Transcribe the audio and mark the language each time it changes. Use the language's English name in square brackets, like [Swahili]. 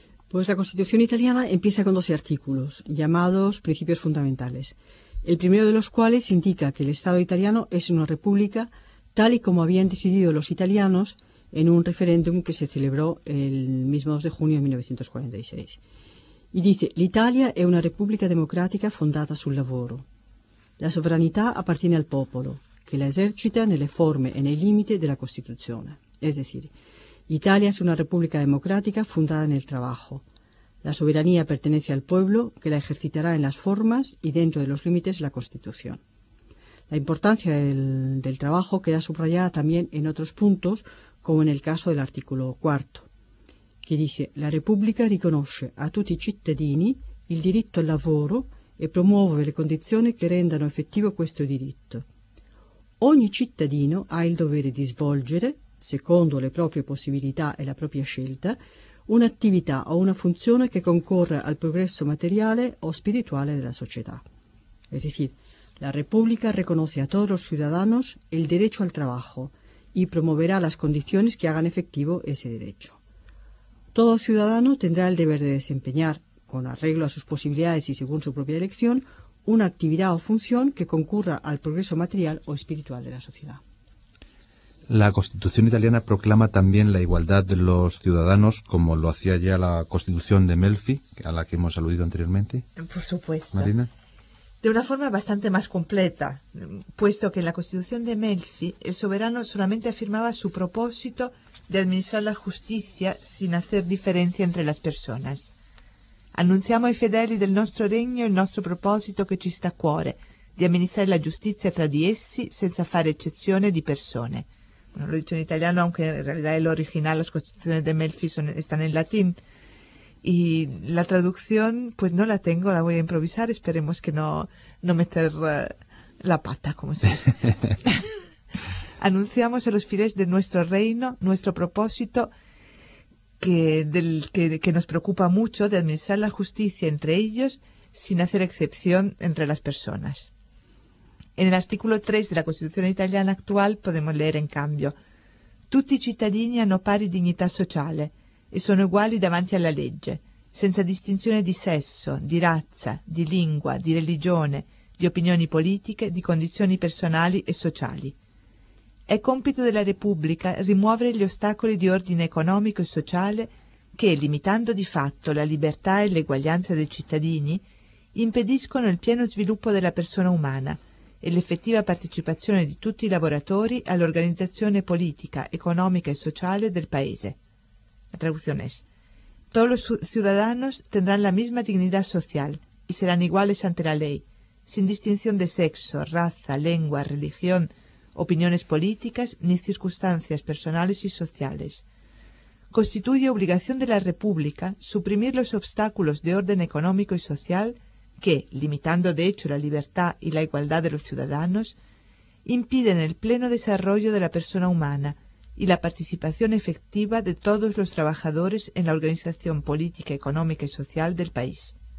[Spanish] Pues la Constitución italiana empieza con 12 artículos, llamados principios fundamentales, el primero de los cuales indica que el Estado italiano es una república tal y como habían decidido los italianos en un referéndum que se celebró el mismo 2 de junio de 1946. Y dice, [Italian] l'Italia è una repubblica democratica fondata sul lavoro. La sovranità appartiene al popolo, che la esercita nelle forme e nei limiti della Costituzione. [Spanish] Es decir, Italia es una república democrática fundada en el trabajo. La soberanía pertenece al pueblo, que la ejercitará en las formas y dentro de los límites de la Constitución. La importancia del trabajo queda subrayada también en otros puntos, como en el caso del artículo cuarto, que dice [Italian] «La Repubblica riconosce a tutti i cittadini il diritto al lavoro e promuove le condizioni che rendano effettivo questo diritto. Ogni cittadino ha il dovere di svolgere, secondo le proprie possibilità e la propria scelta, un'attività o una funzione che concorra al progresso materiale o spirituale della società». [Spanish] Es decir, [Italian] «La Repubblica riconosce [Spanish] a todos los ciudadanos el derecho al trabajo», y promoverá las condiciones que hagan efectivo ese derecho. Todo ciudadano tendrá el deber de desempeñar, con arreglo a sus posibilidades y según su propia elección, una actividad o función que concurra al progreso material o espiritual de la sociedad. La Constitución italiana proclama también la igualdad de los ciudadanos, como lo hacía ya la Constitución de Melfi, a la que hemos aludido anteriormente. Por supuesto. Marina. De una forma bastante más completa, puesto que en la Constitución de Melfi el soberano solamente afirmaba su propósito de administrar la justicia sin hacer diferencia entre las personas. [Italian] Annunciamo ai fedeli del nostro regno il nostro proposito che ci sta a cuore, di amministrare la giustizia tra di essi senza fare eccezione di persone. [Spanish] Bueno, lo dice [Italian] in italiano, [Spanish] aunque en realidad el original, las Constituciones de Melfi están en latín. Y la traducción, pues no la tengo, la voy a improvisar, esperemos que no meter la pata, como se dice. Anunciamos a los fieles de nuestro reino, nuestro propósito, que nos preocupa mucho, de administrar la justicia entre ellos, sin hacer excepción entre las personas. En el artículo 3 de la Constitución italiana actual podemos leer, en cambio, [Italian] «Tutti i cittadini hanno pari dignità sociale». E sono uguali davanti alla legge, senza distinzione di sesso, di razza, di lingua, di religione, di opinioni politiche, di condizioni personali e sociali. È compito della Repubblica rimuovere gli ostacoli di ordine economico e sociale che, limitando di fatto la libertà e l'eguaglianza dei cittadini, impediscono il pieno sviluppo della persona umana e l'effettiva partecipazione di tutti i lavoratori all'organizzazione politica, economica e sociale del Paese. [Spanish] La traducción es, todos los ciudadanos tendrán la misma dignidad social y serán iguales ante la ley, sin distinción de sexo, raza, lengua, religión, opiniones políticas ni circunstancias personales y sociales. Constituye obligación de la República suprimir los obstáculos de orden económico y social que, limitando de hecho la libertad y la igualdad de los ciudadanos, impiden el pleno desarrollo de la persona humana y la participación efectiva de todos los trabajadores en la organización política, económica y social del país.